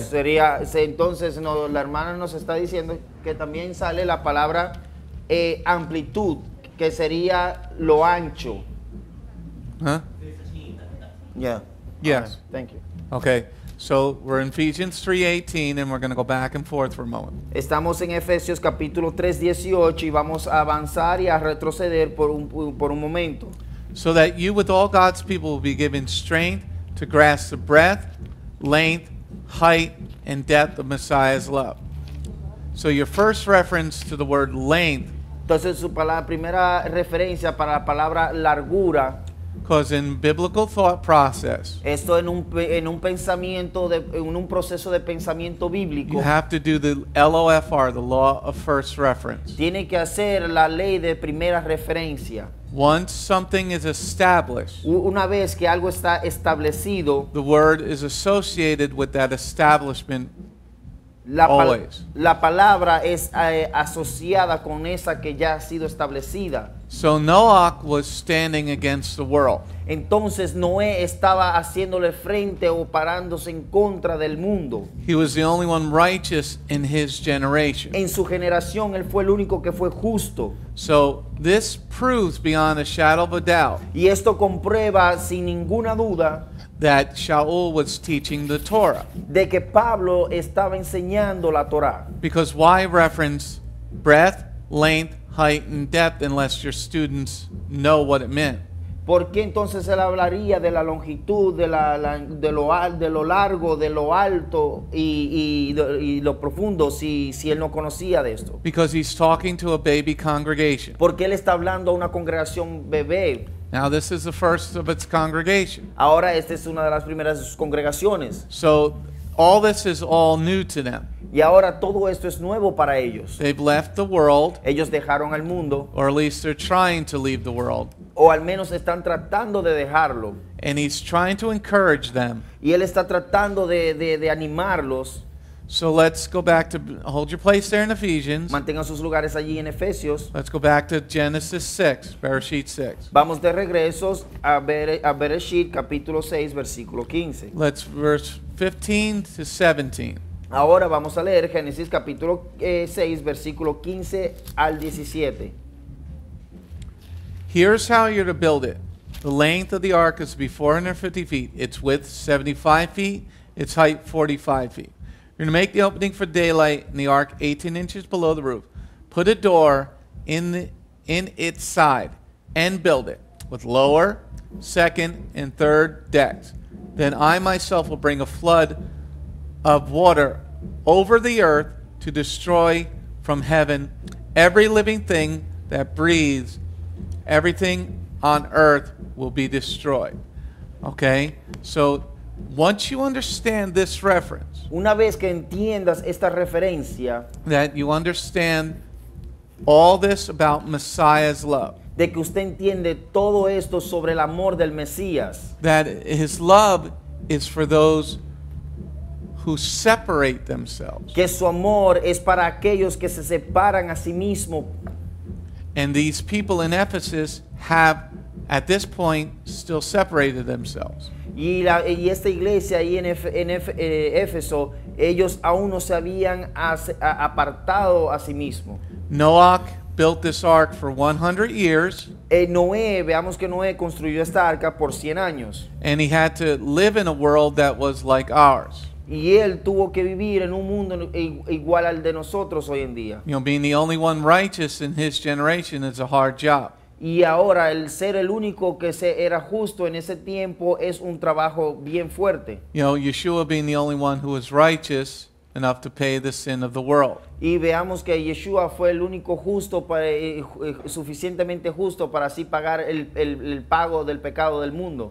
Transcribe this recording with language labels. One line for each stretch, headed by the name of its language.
Spanish: So, sería, entonces, no, la hermana nos está diciendo que también sale la palabra amplitud, que sería lo ancho.
English: Huh? 15. Yeah. Yes. Right. Thank you. Okay. So we're in Ephesians 3:18, and we're going to go back and forth for a moment.
Spanish: Estamos en Efesios capítulo 3:18, y vamos a avanzar y a retroceder por un momento.
English: So that you, with all God's people, will be given strength to grasp the breadth, length, height, and depth of Messiah's love. So your first reference to the word length.
Spanish: Entonces su primera referencia para la palabra largura.
English: Because in biblical thought process,
Spanish: esto en un proceso de pensamiento bíblico,
English: you have to do the LOFR, the law of first reference.
Spanish: Tiene que hacer la ley de primera referencia.
English: Once something is established,
Spanish: una vez que algo está establecido,
English: the word is associated with that establishment always.
Spanish: La palabra es asociada con esa que ya ha sido establecida.
English: So Noah was standing against the world.
Spanish: Entonces Noé estaba haciéndole frente o parándose en contra del mundo.
English: He was the only one righteous in his generation.
Spanish: En su generación él fue el único que fue justo.
English: So this proves beyond a shadow of a doubt.
Spanish: Y esto comprueba sin ninguna duda
English: that Sha’ul was teaching the Torah.
Spanish: De que Pablo estaba enseñando la Torah.
English: Because why reference breadth, length, height and depth unless your students know what it meant?
Spanish: ¿Por qué entonces él hablaría de la longitud, de la, la de lo al, de lo largo, de lo alto y lo profundo si si él no conocía de esto?
English: Because he's talking to a baby congregation.
Spanish: Porque él está hablando a una congregación bebé.
English: Now this is the first of its congregation.
Spanish: Ahora esta es una de las primeras de sus congregaciones.
English: So all this is all new to them.
Spanish: Y ahora todo esto es nuevo para ellos.
English: They've left the world.
Spanish: Ellos dejaron el mundo.
English: Or at least they're trying to leave the world.
Spanish: O al menos están tratando de dejarlo.
English: And he's trying to encourage them.
Spanish: Y él está tratando de animarlos.
English: So let's go back to, hold your place there in Ephesians.
Spanish: Mantengan sus lugares allí en Efesios.
English: Let's go back to Genesis 6, Bereshit 6.
Spanish: Vamos de regresos a Bereshit, capítulo 6, versículo 15.
English: Let's verse 15 to 17.
Spanish: Ahora vamos a leer Génesis capítulo 6, versículo 15 al 17.
English: Here's how you're to build it. The length of the ark is to be 450 feet. Its width 75 feet. Its height 45 feet. You're going to make the opening for daylight in the ark 18 inches below the roof. Put a door in the, in its side and build it with lower, second, and third decks. Then I myself will bring a flood of water over the earth to destroy from heaven every living thing that breathes. Everything on earth will be destroyed. Okay? So, once you understand this reference,
Spanish: una vez que entiendas esta referencia,
English: that you understand all this about Messiah's love,
Spanish: de que usted entiende todo esto sobre el amor del Mesías,
English: that his love is for those who separate themselves,
Spanish: que su amor es para aquellos que se separan a sí mismo.
English: And these people in Ephesus have, at this point, still separated themselves.
Spanish: Y la y esta iglesia ahí en Éfeso, ellos aún no se habían apartado a sí mismo.
English: Noah built this ark for 100 years.
Spanish: Noé, veamos que Noé construyó esta arca por 100 años.
English: And he had to live in a world that was like ours.
Spanish: Y él tuvo que vivir en un mundo igual al de nosotros hoy en día.
English: You know, being the only one righteous in his generation is a hard job.
Spanish: Y ahora el ser el único que se era justo en ese tiempo es un trabajo bien fuerte.
English: You know, Yeshua being the only one who was righteous enough to pay the sin of the world.
Spanish: Y veamos que Yeshua fue el único justo para, suficientemente justo para así pagar el pago del pecado del mundo.